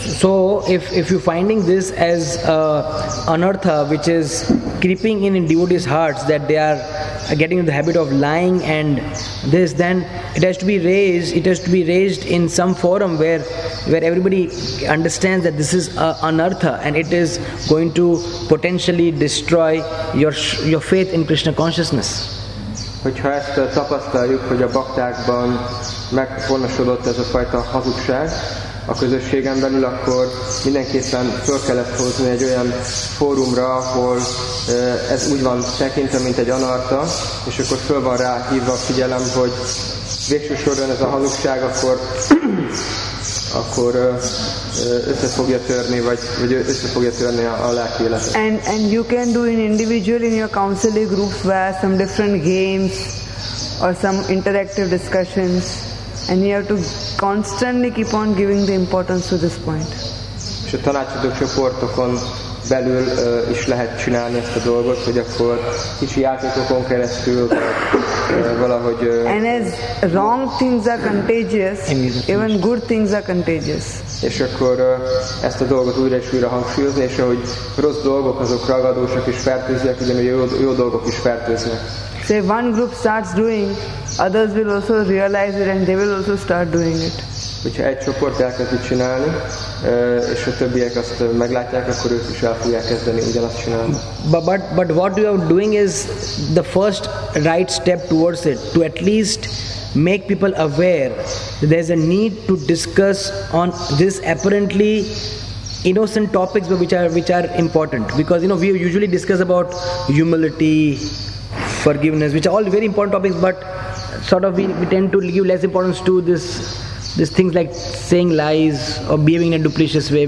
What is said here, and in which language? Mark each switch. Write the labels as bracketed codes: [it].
[en] So if you finding this as anartha, which is creeping in devotees' hearts, that they are getting in the habit of lying and this, then it has to be raised. It has to be raised in some forum where everybody understands that this is anartha and it is going to potentially destroy your faith in Krishna consciousness. [hu] Hogyha ezt tapasztaljuk, hogy a baktákban megfonosodott ez a fajta hazugság a közösségen belül, akkor mindenképpen föl kellett hozni egy olyan fórumra, ahol ez úgy van tekintve, mint egy anarta, és akkor föl van rá hívva a figyelem, hogy végső soron ez a hazugság, akkor össze fogja törni, vagy össze fogja törni a lelki életet. [en] And you can do in individual in your counseling groups where some different games or some interactive discussions, and you have to constantly keep on giving the importance to this point. [hu] És a tanácsadó csoportokon belül is lehet csinálni ezt a dolgot, hogy akkor kicsi játékokon keresztül valahogy. [en] And as wrong things are contagious, even good things are contagious. [hu] És akkor ezt a dolgot újra és újra hangsúlyozni, és ahogy rossz dolgok, azok ragadósak is fertőznek, ugyanúgy jó dolgok is fertőznek. [en] So if one group starts doing, others will also realize it and they will also start doing it. [hu] Hogyha egy csoport elkezdi csinálni, és a többiek azt meglátják, akkor ők is el fogják kezdeni ugyanazt csinálni. [en] But what you are doing is the first right step towards it, to at least make people aware that there is a need to discuss on this apparently innocent topics which are important. Because you know, we usually discuss about humility, forgiveness, which are all very important topics, but sort of we tend to give less importance to this things like saying lies or behaving in a duplicitous way.